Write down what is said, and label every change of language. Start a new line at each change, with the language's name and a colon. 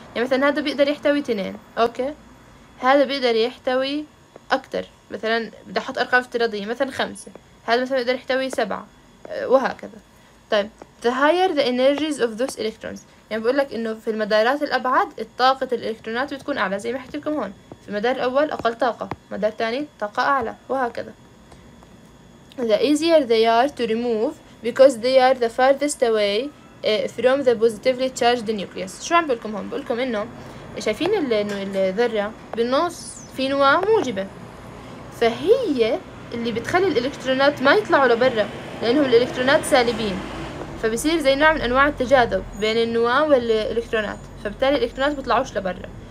Arabic: يعني مثلا هذا بيقدر يحتوي 2، أوكي؟ هذا بيقدر يحتوي أكتر، مثلا بدي أحط أرقام افتراضية، مثلا 5، هذا مثلا بيقدر يحتوي 7، وهكذا. طيب،
English: the higher the energies of those electrons،
Arabic: يعني بقول لك إنه في المدارات الأبعد الطاقة الإلكترونات بتكون أعلى، زي ما حكيت لكم هون، في المدار الأول أقل طاقة، مدار تاني طاقة أعلى، وهكذا.
English: The easier they are to remove because they are the farthest away from the positively charged nucleus.
Arabic: شو عم بقولكم هون؟ بقولكم إنه شايفين إنه الذرة بالنص في نواة موجبة، فهي اللي بتخلي الإلكترونات ما يطلعوا لبرا، لأنهم الإلكترونات سالبين، فبصير زي نوع من أنواع التجاذب بين النواة والإلكترونات، فبالتالي الإلكترونات بيطلعوش لبرا.